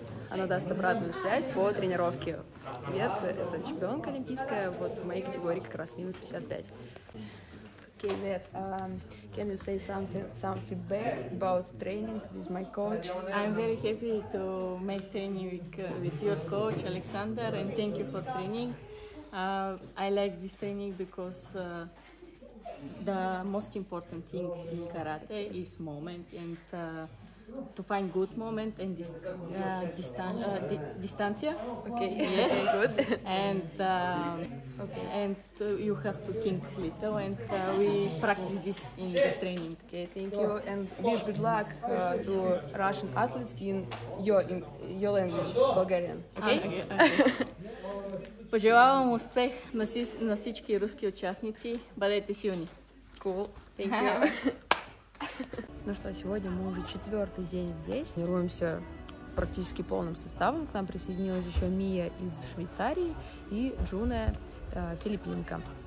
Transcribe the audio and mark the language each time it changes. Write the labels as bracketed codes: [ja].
[ru] Она даст обратную связь по тренировке. Ивет — это чемпионка олимпийская. Вот в моей категории как раз минус 55. [en] Okay, Ивет, can you say some feedback about training with my coach? I'm very happy to make training with your coach, Alexander, and thank you for training. I like this training because the most important thing in karate is moment and to find good moment and distancia. Okay. Yes. Okay, good. And okay. And you have to think little and we practice this in this training. Okay. Thank you. And wish good luck to Russian athletes in your language, Bulgarian. Okay. [bg] Пожелаю вам успех на всички русские участники. Бъдете силни. [en] Cool. Thank you. [ru] Ну что, сегодня мы уже четвертый день здесь. Тренируемся практически полным составом. К нам присоединилась еще Мия из Швейцарии и Джуне, филиппинка.